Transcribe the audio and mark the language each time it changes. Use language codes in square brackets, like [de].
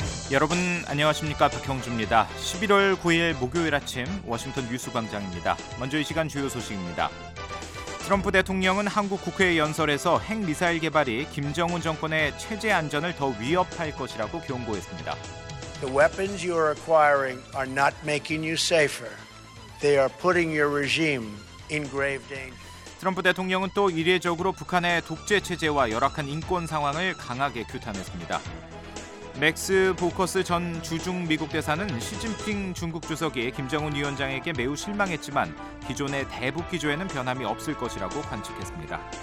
[ko] 여러분 안녕하십니까? 박형주입니다. 11월 9일 목요일 아침 워싱턴 뉴스 광장입니다. 먼저 이 시간 주요 소식입니다. 트럼프 대통령은 한국 국회 연설에서 핵미사일 개발이 김정은 정권의 체제 안전을 더 위협할 것이라고 경고했습니다. [en] The weapons you are acquiring are not making you safer. They are putting your regime in grave danger. [ko] 트럼프 대통령은 또 이례적으로 북한의 독재 체제와 열악한 인권 상황을 강하게 규탄했습니다. 맥스 보커스 전 주중 미국 대사는 시진핑 중국 주석이 김정은 위원장에게 매우 실망했지만 기존의 대북 기조에는 변함이 없을 것이라고 관측했습니다.